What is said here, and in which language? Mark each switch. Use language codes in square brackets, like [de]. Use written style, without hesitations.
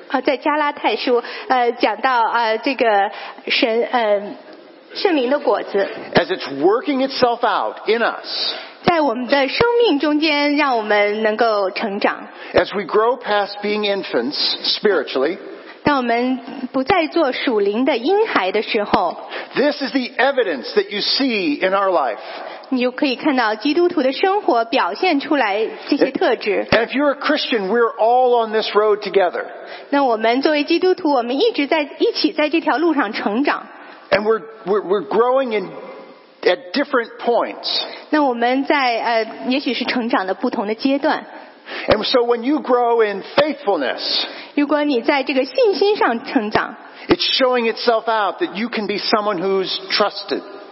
[zh] 在加拉太书，讲到这个圣灵的果子。 [en] As it's working itself out in us. [zh] 在我们的生命中间，让我们能够成长。 [en] As we grow past being infants spiritually. [zh] 当我们不再做属灵的婴孩的时候。 [en] This is the evidence that you see in our life. [zh] 你就可以看到基督徒的生活表现出来这些特质。 [en] And if you're a Christian, we're all on this road together. [zh] 那我们作为基督徒，我们一直在一起在这条路上成长。 [en] And we're growing in at different points. [zh] 那我们在也许是成长的不同的阶段。 [en] And so when you grow in faithfulness, [zh] 如果你在这个信心上成长 [en] ，it's showing itself out that you can be someone who's trusted.